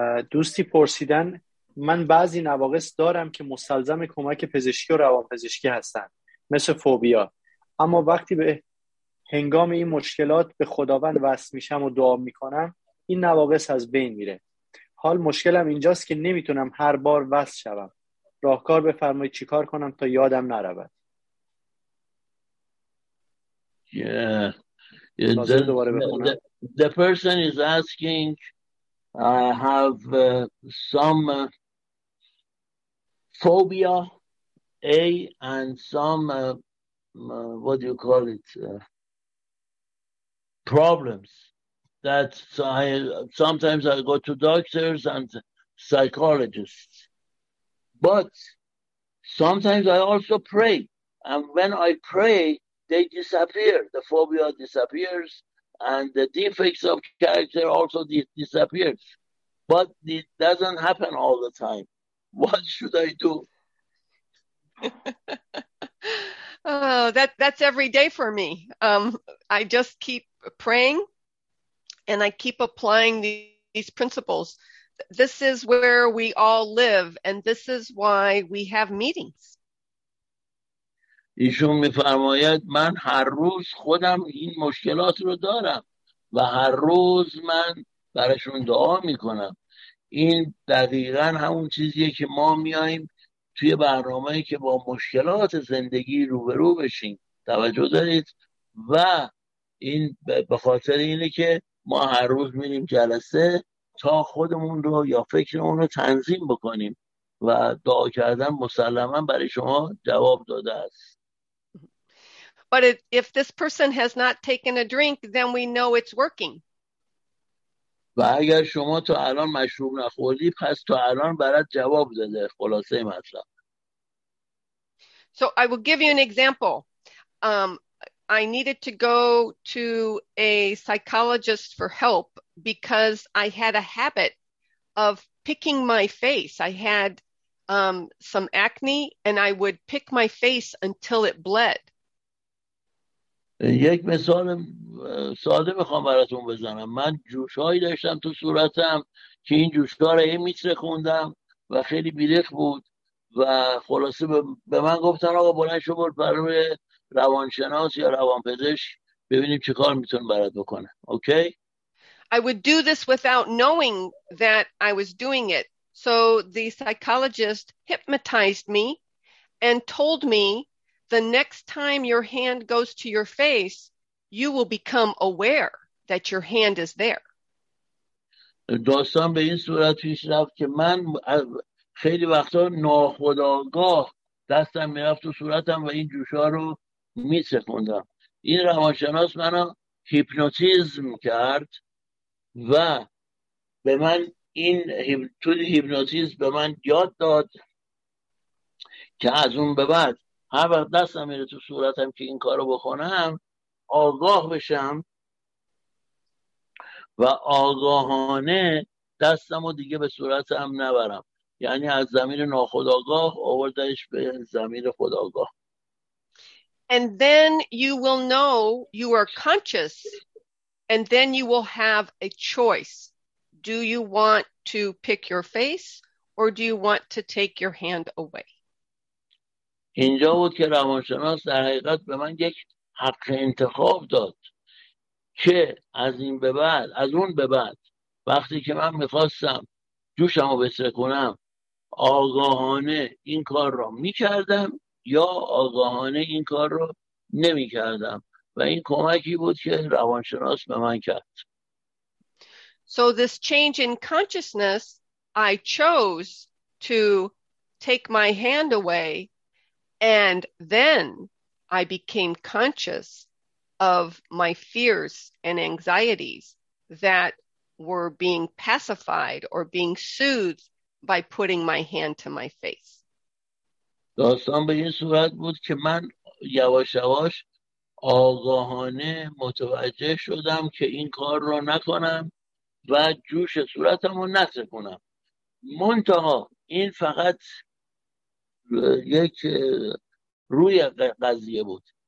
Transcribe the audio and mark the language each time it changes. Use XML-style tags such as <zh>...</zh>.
<fa>دوستی پرسیدن من بعضی نواقص دارم که مستلزم کمک پزشکی و روانپزشکی هستند، مثل فوبیا، اما وقتی به هنگام این مشکلات به خداوند وصل میشم و دعا میکنم این نواقص از بین میره. حال مشکلم اینجاست که نمیتونم هر بار وصل شوم. راهکار بفرمایید چیکار کنم تا یادم نرود.</fa> <en>The person is asking, I have some phobia, A, and some, what do you call it, problems. That sometimes I go to doctors and psychologists. But sometimes I also pray. And when I pray, they disappear. The phobia disappears. And the defects of character also disappears. But it doesn't happen all the time. What should I do? that's every day for me. I just keep praying and I keep applying these principles. This is where we all live and this is why we have meetings.</en> <fa>ایشون میفرماید من هر روز خودم این مشکلات رو دارم و هر روز من برشون دعا میکنم. این دقیقا همون چیزیه که ما میاییم توی برنامه‌ای که با مشکلات زندگی روبرو بشیم، توجه دارید؟ و این به خاطر اینه که ما هر روز میریم جلسه تا خودمون رو یا فکرمون رو تنظیم بکنیم و دعا کردن مسلما برای شما جواب داده است.</fa> <en>But if this person has not taken a drink, then we know it's working.</en> <fa>و اگر شما تا الان مشروب نخوردی، پس تا الان برات جواب داده. خلاصه مطلب.</fa> <en>So I will give you an example. I needed to go to a psychologist for help because I had a habit of picking my face. I had some acne and I would pick my face until it bled.</en> <fa>یک مثال ساده میخوام براتون بزنم. من جوشهایی داشتم تو صورتم که این جوشها را میترکوندم و خیلی بیرخ بود و خلاصه به من گفتن آقا بلند شو برد برای روانشناس یا روانپزشک ببینیم چه کار میتونه برات بکنه. اوکی؟</fa> <en>I would do this without knowing that I was doing it. So the psychologist hypnotized me and told me the next time your hand goes to your face, you will become aware that your hand is there.</en> <fa>داستان به این صورت پیش رفت که من خیلی وقتا ناخودآگاه دستم میرفت تو صورتم و این جوشا رو میسکندم. این روانشناس منو هیپنوتیزم کرد و به من این تو هیپنوتیزم به من یاد داد که از اون به بعد هر وقت دستم میره تو صورتم که این کارو بکنم آگاه بشم و آگاهانه دستم رو دیگه به صورتم نبرم، یعنی از ضمیر ناخودآگاه آوردنش به ضمیر خودآگاه.</fa> <en>And then you will know you are conscious, and then you will have a choice. Do you want to pick your face or do you want to take your hand away?</en> <fa>اینجا بود که روانشناس در حقیقت به من یک حق انتخاب داد که از این به بعد، از اون به بعد، وقتی که من میخواستم جوشم رو بسرکنم آگاهانه این کار را میکردم یا آگاهانه این کار را نمیکردم، و این کمکی بود که روانشناس به من کرد.</fa> <en>So this change in consciousness, I chose to take my hand away, and then I became conscious of my fears and anxieties that were being pacified or being soothed by putting my hand to my face.</en> <fa>داستان به این صورت بود که من یواش یواش آگاهانه متوجه شدم که این کار را نکنم و جوش صورتم را نسکنم. منتها این فقط یک روی قضیه بود.</fa>